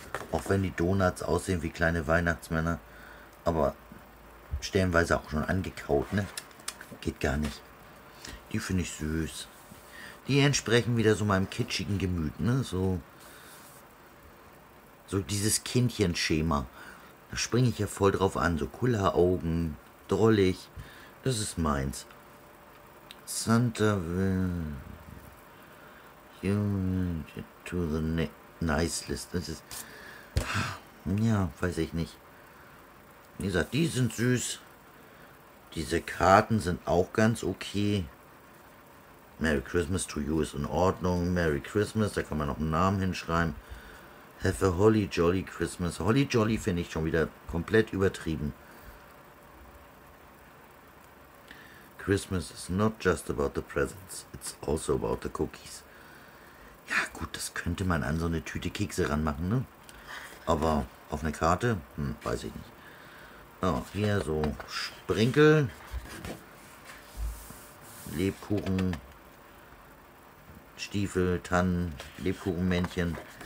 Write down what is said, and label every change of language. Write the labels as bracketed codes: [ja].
[de] Auch wenn die Donuts aussehen wie kleine Weihnachtsmänner, aber stellenweise auch schon angekaut, ne? Geht gar nicht. Die finde ich süß. Die entsprechen wieder so meinem kitschigen Gemüt, ne? So dieses Kindchenschema. Da springe ich ja voll drauf an. So Kulleraugen, drollig. Das ist meins. [en] Santa will you to the nice list. [de] Das ist. Ja, weiß ich nicht. Wie gesagt, die sind süß. Diese Karten sind auch ganz okay. [en] Merry Christmas to you [de] ist in Ordnung. Merry Christmas, da kann man noch einen Namen hinschreiben. [en] Have a holly jolly Christmas. [de] Holly jolly finde ich schon wieder komplett übertrieben. [en] Christmas is not just about the presents. It's also about the cookies. [de] Ja gut, das könnte man an so eine Tüte Kekse ranmachen, ne? Aber auf eine Karte? Weiß ich nicht. Oh, hier so Sprinkel. Lebkuchen. Stiefel, Tannen, Lebkuchenmännchen.